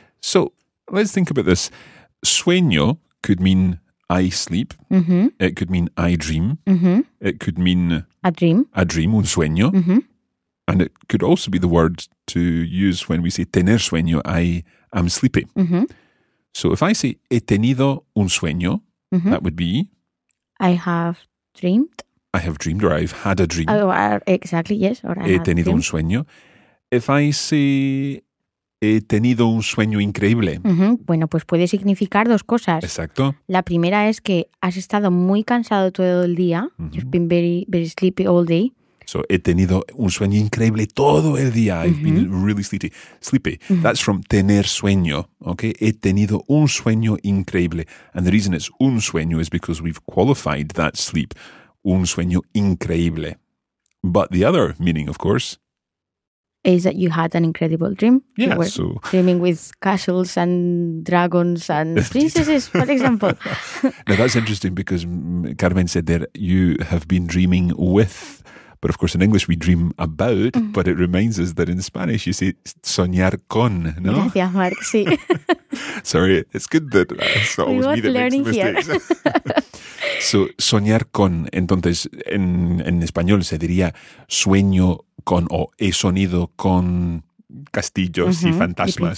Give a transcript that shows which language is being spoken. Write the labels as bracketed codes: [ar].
[en] So let's think about this. Sueño could mean I sleep. Mm-hmm. It could mean I dream. Mm-hmm. It could mean a dream. A dream, [es] un sueño. Mm-hmm. [en] And it could also be the word to use when we say [es] tener sueño, [en] I am sleepy. Mm-hmm. So if I say [es] he tenido un sueño, mm-hmm. [en] that would be I have dreamed. I have dreamed, or I've had a dream. Oh, exactly, yes. Or I [es] he tenido [en] dreamed. [es] Un sueño. [en] If I say [es] he tenido un sueño increíble. Uh-huh. Bueno, pues puede significar dos cosas. Exacto. La primera es que has estado muy cansado todo el día. Uh-huh. [en] You've been very, very sleepy all day. So, [es] he tenido un sueño increíble todo el día. [en] Uh-huh. I've been really sleepy. Uh-huh. That's from [es] tener sueño, [en] okay? [es] He tenido un sueño increíble. [en] And the reason it's [es] un sueño [en] is because we've qualified that sleep. [es] Un sueño increíble. [en] But the other meaning, of course, is that you had an incredible dream. Yeah, you were dreaming with castles and dragons and princesses, for example. Now, that's interesting because Carmen said there, you have been dreaming with. But of course, in English, we dream about, mm-hmm. but it reminds us that in Spanish, you say [es] soñar con, [en] no? [es] Gracias, Mark, sí. [en] Sorry, it's good that it's not always me that learning makes the mistakes. [es] So, soñar con, entonces, en español se diría sueño con o he sonido con castillos uh-huh. y fantasmas